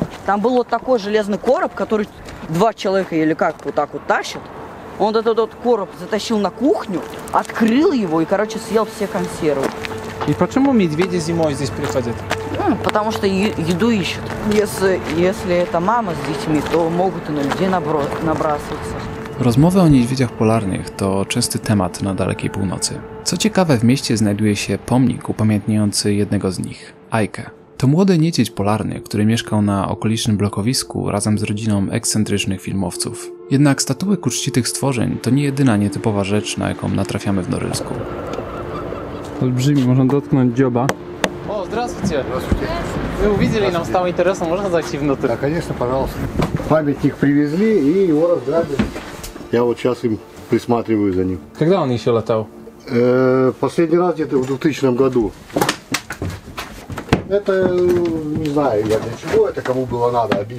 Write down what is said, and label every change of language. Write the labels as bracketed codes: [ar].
[ru] Там был вот такой железный короб, который два человека или как вот так вот тащат. Он этот вот короб затащил на кухню, открыл его и, короче, съел все консервы. И почему медведи зимой здесь приходят? Потому что еду ищут. Если это мама с детьми, то могут и на людей набрасываться. [pl] Rozmowy o niedźwiedziach polarnych to częsty temat na dalekiej północy. Co ciekawe, w mieście znajduje się pomnik upamiętniający jednego z nich, Ajkę. To młody niedźwiedź polarny, który mieszkał na okolicznym blokowisku razem z rodziną ekscentrycznych filmowców. Jednak statuły ku czci tych stworzeń to nie jedyna nietypowa rzecz, na jaką natrafiamy w Norylsku. Olbrzymi, można dotknąć dzioba. [ru] O, zdravstvuyte! Вы увидели, нам стало интересно, можно зайти внутрь? Да, конечно, пожалуйста. Памятник привезли и его разграбили. Я вот сейчас им присматриваю за ним. Когда он еще летал? Последний раз где-то в 2000 году. Это, не знаю, я для чего это, кому было надо.